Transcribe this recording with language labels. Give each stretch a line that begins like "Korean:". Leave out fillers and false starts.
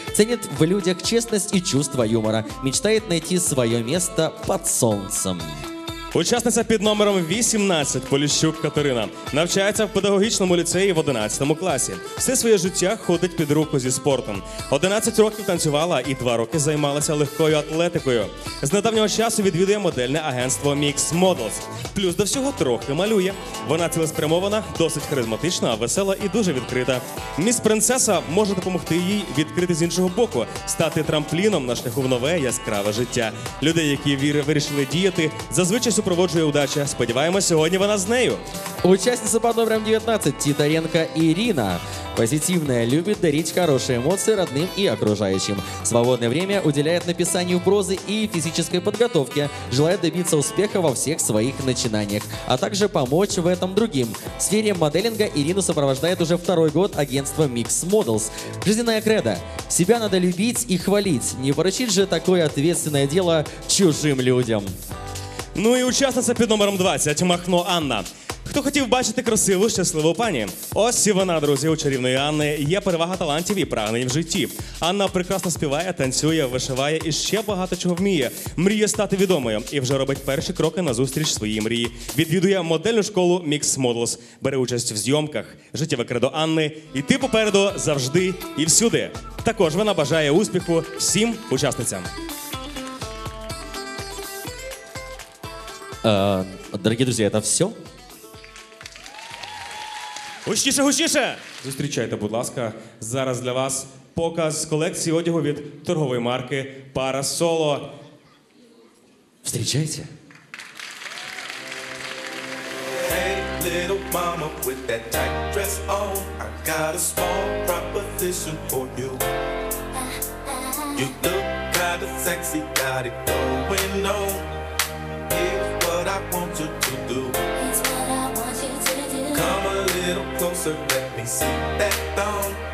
Ukrainian: Цінить в людях чесність і
Russian: чувство юмора.
Ukrainian: Мечтає знайти своє місце під сонцем. Учасниця під номером 18 – Поліщук Катерина. Навчається в педагогічному ліцеї в 11 класі. Все своє життя ходить під руку зі спортом. 11 років танцювала і 2 роки займалася легкою атлетикою. З недавнього часу відвідує модельне агентство Mix Models. Плюс до всього трохи малює. Вона цілеспрямована, досить харизматична, весела і дуже відкрита. Міс-принцеса може допомогти їй відкрити з іншого боку, стати трампліном на шляху в нове яскраве життя. Людей, які вирішили діяти, зазвичай супроводжує удача. Сподіваємось, сьогодні вона з нею. Учасниця під номером 19 – Титаренко Ірина.
Russian: Позитивная, любит дарить хорошие эмоции родным и окружающим. Свободное время уделяет написанию прозы и физической подготовке. Желает добиться успеха во всех своих начинаниях, а также помочь в этом другим. В сфере моделинга Ирину сопровождает уже 2-й год агентство Mix Models. Жизненная кредо – себя надо любить и хвалить. Не поручить же такое ответственное дело чужим людям. Ну и
Ukrainian: учасниця под номером 20 – Махно Анна. Хто хотів бачити красиву, щасливу пані? Ось і вона, друзі, у чарівної Анни є перевага талантів і прагнень в житті. Анна прекрасно співає, танцює, вишиває і ще багато чого вміє. Мріє стати відомою і вже робить перші кроки на зустріч своїй мрії. Відвідує модельну школу Mix Models, бере участь в зйомках. Життєве кредо Анни – іти попереду завжди і всюди. Також вона бажає успіху всім учасницям. Дорогі друзі, це все? Гучніше, гучніше! Зустрічайте, будь ласка, зараз для вас показ колекції одягу від торгової марки «Парасоло». Зустрічайте!
English: Hey, little mama, with that tight dress on, I've got a small proposition for you. You look kind of sexy, got it going on. Here's what I want you to do. A little closer, let me see that thong.